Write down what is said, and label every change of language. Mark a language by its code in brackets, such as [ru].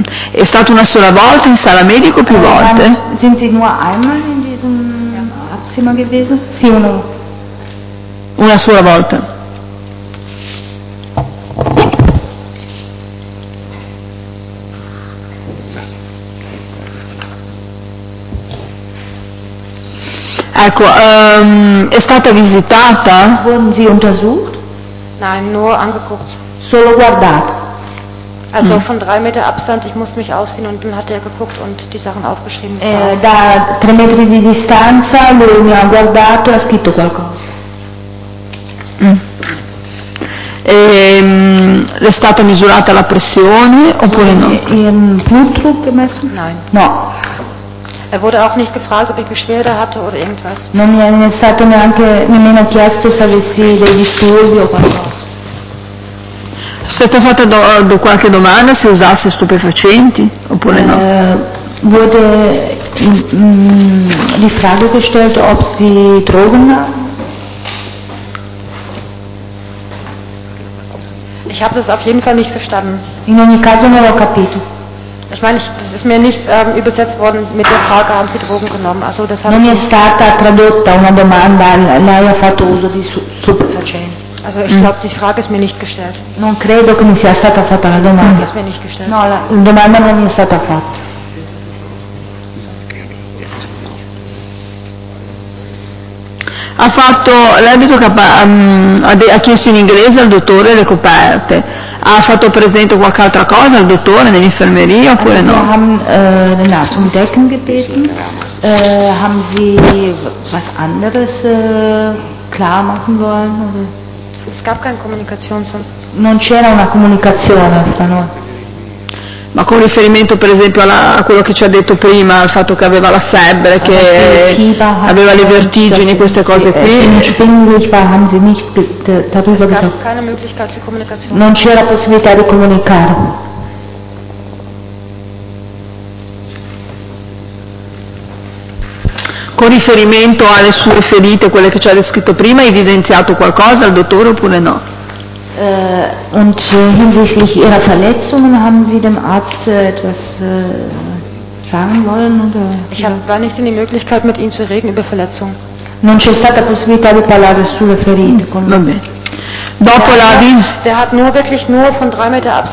[it] È stato una sola volta in sala medica o più volte? [de] Sind Sie nur einmal in diesem Arztzimmer gewesen? [it] Sì, uno. Una sola volta. Ecco, è stata visitata? [de] Wurden Sie untersucht? Nein, nur angeguckt. [it] Solo guardata. [de] Also von 3 Meter Abstand, ich musste mich ausziehen und dann hat er geguckt und die Sachen aufgeschrieben. [it] Da 3 metri di distanza, lui mi ha guardato e ha scritto qualcosa. È stata misurata la pressione oppure no? [de] Il Blutdruck gemessen? Nein. [it] No. [de] Er wurde auch nicht gefragt, ob ich Beschwerde hatte oder irgendwas. [it] Non mi è stato neanche nemmeno chiesto se avessi dei disturbi o qualcosa. Siete fatta qualche domanda se usasse stupefacenti oppure no? [de] Wurde die Frage gestellt, ob sie Drogen nahm? Ich habe das auf jeden Fall nicht verstanden. [it] In ogni caso non ho capito. [de] Ich meine, das ist mir nicht übersetzt worden mit der Frage, haben Sie Drogen genommen? Also das [it] non mi è stata tradotta una domanda, lei ha fatto uso di stupefacenti. [de] Also ich glaube, die Frage ist mir nicht gestellt. [it] Non credo che mi sia stata fatta la domanda. [de] Ist mir nicht gestellt. [it] No, la domanda non mi è stata fatta. Ha fatto, lei ha detto che ha chiesto in inglese al dottore le coperte. Ha fatto presente qualche altra cosa al dottore nell'infermeria oppure [de] also, [it] no? [de] Sie haben den Arzt um Decken gebeten. Haben Sie was anderes klar machen wollen? Oder? Es gab keine Kommunikation sonst. [it] Non c'era una comunicazione fra noi. Ma con riferimento per esempio a quello che ci ha detto prima, al fatto che aveva la febbre, che aveva le vertigini, queste cose qui. Non c'era possibilità di comunicare. riferimento alle sue ferite, quelle che ci ha descritto prima, ha evidenziato qualcosa al dottore oppure no? [de] Und hinsichtlich ihrer Verletzungen haben Sie dem Arzt etwas sagen wollen oder? Ich habe gar nicht in die Möglichkeit mit Ihnen zu reden über Verletzungen. [it] Non c'è stata possibilità di parlare sulle ferite con lui. Dopo la [de] der hat nur wirklich nur von 3 Meter Abstand